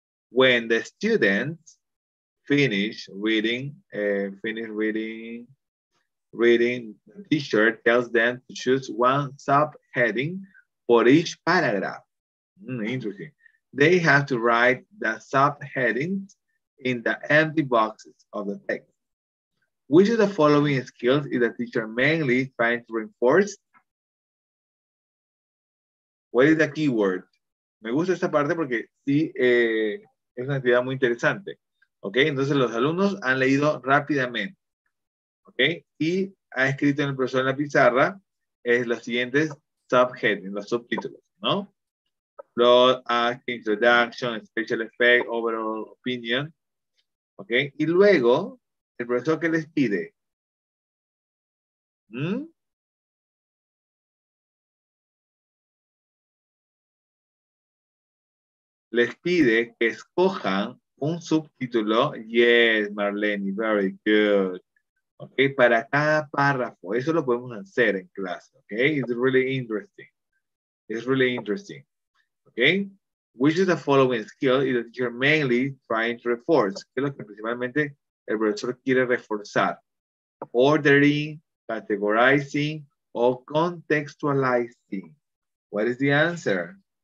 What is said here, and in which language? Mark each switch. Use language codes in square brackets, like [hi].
[en] When the students finish reading, the teacher tells them to choose one subheading for each paragraph. Interesting. They have to write the subheadings in the empty boxes of the text. Which of the following skills is the teacher mainly trying to reinforce? What is the keyword? [es] Me gusta esta parte porque sí, es una actividad muy interesante. Ok, entonces los alumnos han leído rápidamente. Ok, y ha escrito en el profesor en la pizarra los siguientes subheadings, los subtítulos, ¿no? [en] Plot, act, introduction, special effect, overall opinion. [es] Ok, y luego, el profesor, ¿qué les pide? Les pide que escojan un subtítulo. [en] Yes, Marlene, very good. Ok, [es] para cada párrafo. Eso lo podemos hacer en clase. [en] Ok, it's really interesting. It's really interesting. Ok, which is the following skill is the teacher mainly trying to reinforce? [es] ¿Qué es lo que principalmente el profesor quiere reforzar? [en] Ordering, categorizing, or contextualizing. What is the answer?